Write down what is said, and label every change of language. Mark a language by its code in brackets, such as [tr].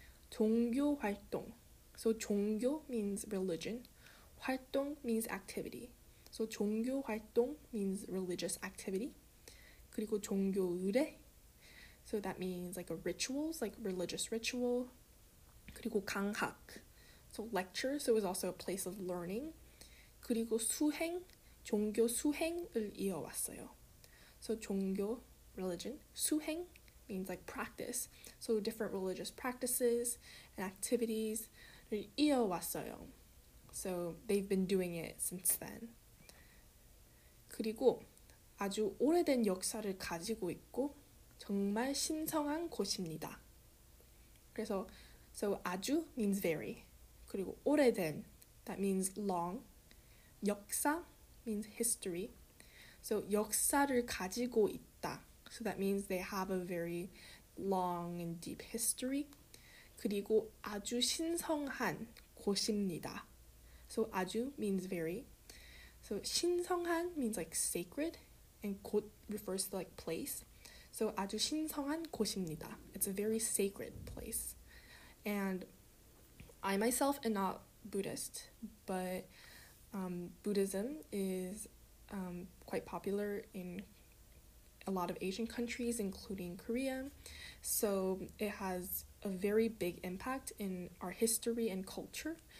[en] 종교 활동. So 종교 means religion. 활동 means activity. So 종교 활동 means religious activity. [ko] 그리고 종교 의례. [en] So that means like a rituals, like religious ritual. 그리고 강학. So lecture, so it was also a place of learning. [ko] 그리고 수행, 종교 수행을 이어왔어요. [en] So 종교, religion, 수행 means like practice. So different religious practices and activities 이어왔어요. So they've been doing it since then. [ko] 그리고 아주 오래된 역사를 가지고 있고 정말 신성한 곳입니다. [en] 그래서 so 아주 means very. 그리고 오래된, that means long. 역사 means history. [ko] So 역사를 가지고 있다. [en] So that means they have a very long and deep history. [ko] 그리고 아주 신성한 곳입니다. [en] So 아주 means very. So 신성한 means like sacred, and 곳 refers to like place. [ko] So 아주 신성한 곳입니다. [en] It's a very sacred place. And I myself am not Buddhist, but Buddhism is quite popular in a lot of Asian countries, including Korea. So it has a very big impact in our history and culture.